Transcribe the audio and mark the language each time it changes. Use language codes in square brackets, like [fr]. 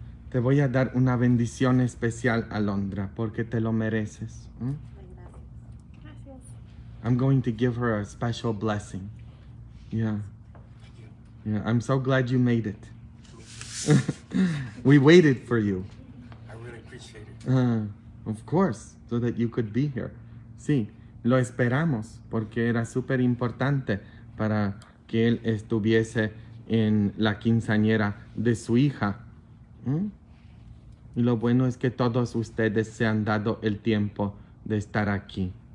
[es] Te voy a dar una bendición especial, Alondra, porque te lo mereces. Gracias. [en] I'm going to give her a special blessing. Yeah. Yeah. I'm so glad you made it. We waited for you. I really appreciate it. Of course, so that you could be here. [es] Sí, lo esperamos porque era súper importante para que él estuviese en la quinceañera de su hija. Y lo bueno es que todos ustedes se han dado el tiempo de estar aquí.